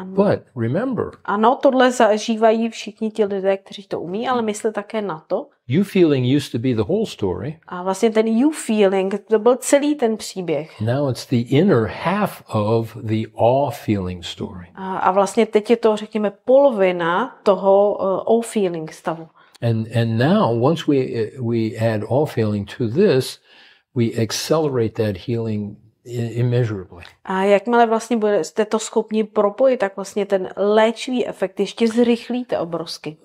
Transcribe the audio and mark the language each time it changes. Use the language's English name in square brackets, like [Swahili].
[English] But remember. [Czech] Ano, tohle zažívají všichni ti lidé, kteří to umí, ale myslí také na to. [English] You feeling used to be the whole story. [Czech] A vlastně ten you feeling, to byl celý ten příběh. [English] Now it's the inner half of the awe feeling story. [Czech] A vlastně teď je to, řekněme, polovina toho awe feeling stavu. [English] And now once we add awe feeling to this, we accelerate that healing immeasurably. [Czech] A jakmile vlastně budete to schopni propojit, tak vlastně ten léčivý efekt ještě zrychlíte obrovsky.